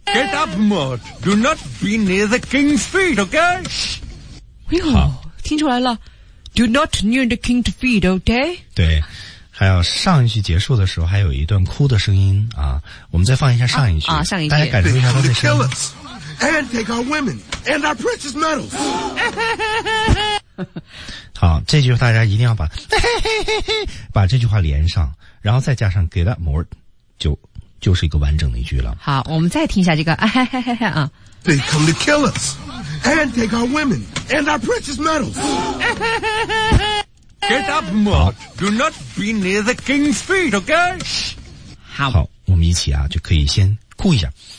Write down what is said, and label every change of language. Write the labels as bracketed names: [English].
[English] ？Get up, Mort. Do not be near the king's feet. OK. [Chinese] 哎呦，听出来了。 [English] Do not near the king's feet. OK. [Chinese] 对，还有上一句结束的时候还有一段哭的声音啊，我们再放一下上一句上一句，大家感受一下他的声音。 [English] And take our women and our precious metals. [Chinese] 好，这句大家一定要把把这句话连上，然后再加上 [English] get up more， [Chinese] 就是一个完整的一句了。好，我们再听一下这个啊。 [English] They come to kill us and take our women and our precious metals. Get up more. Do not be near the king's feet, okay? [Chinese] 好，我们一起啊就可以先哭一下。